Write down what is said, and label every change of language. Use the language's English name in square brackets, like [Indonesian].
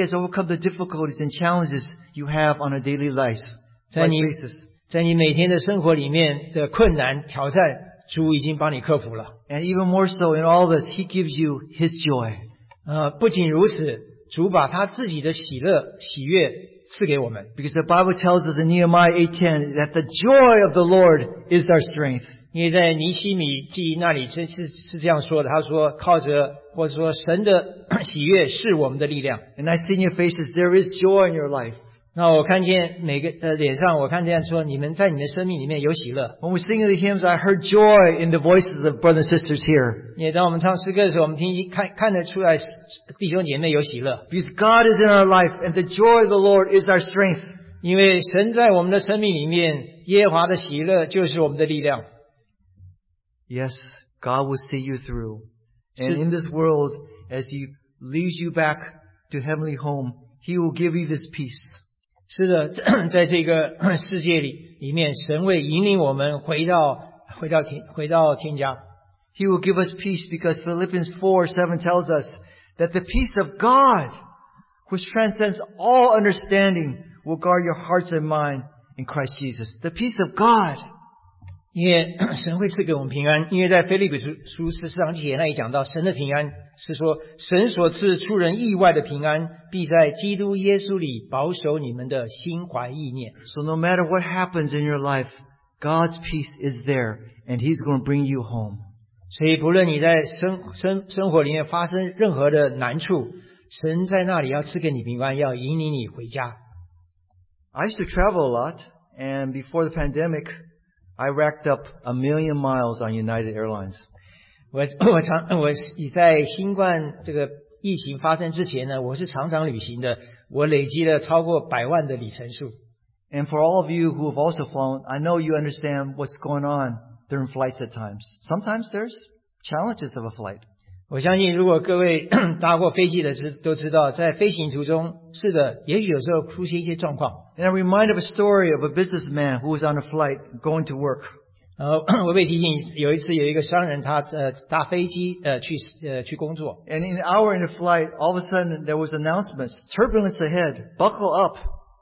[English] has overcome the difficulties and challenges you have on a daily life. [Chinese] 在你每天的生活里面的困难挑战。 [English] And even more so in all this, he gives you his joy. [Chinese] 不仅如此，主把他自己的喜乐、喜悦赐给我们。 [English] Because the Bible tells us in Nehemiah 8:10 that the joy of the Lord is our strength. [Chinese] 因为在尼希米记忆那里是这样说的，他说靠着或者说神的喜悦是我们的力量。 [English] And I see in your faces there is joy in your life. [Chinese] 那我看见每个脸上，我看见说你们在你们生命里面有喜乐。 [English] When we sing the hymns, I heard joy in the voices of brothers and sisters here. [Chinese] 也当我们唱诗歌的时候，我们听看看得出来弟兄姐妹有喜乐。 [English] Because God is in our life, and the joy of the Lord is our strength. [Chinese] 因为神在我们的生命里面，耶和华的喜乐就是我们的力量。 [English] Yes, God will see you through. And in this world, as He leads you back to heavenly home, He will give you this peace. [Chinese] 是的，在这个世界里面，神会引领我们回到天家。 [English] He will give us peace because Philippians 4:7 tells us that the peace of God, which transcends all understanding, will guard your hearts and mind in Christ Jesus. The peace of God. [Chinese] 因为神会赐给我们平安，因为在腓立比书十四章七节那里讲到，神的平安是说神所赐出人意外的平安，必在基督耶稣里保守你们的心怀意念。 [English] So no matter what happens in your life, God's peace is there, and He's going to bring you home. [Chinese] 所以不论你在生活里面发生任何的难处，神在那里要赐给你平安，要引领你回家。 [English] I used to travel a lot, and before the pandemic. I racked up 1,000,000 miles on United Airlines. [Chinese] 我在新冠这个疫情发生之前呢，我是常常旅行的，我累积了超过百万的里程数。 [English] And for all of you who have also flown, I know you understand what's going on during flights at times. Sometimes there's challenges of a flight. [Chinese] 我相信如果各位搭过飞机的都知道，在飞行途中，是的，也许有时候出现一些状况。 [English] And I remind of a story of a businessman who was on a flight going to work. [Chinese] 我被提醒有一次有一个商人他搭飞机去工作。 [English] And in an hour in the flight, all of a sudden there was announcements, turbulence ahead, buckle up.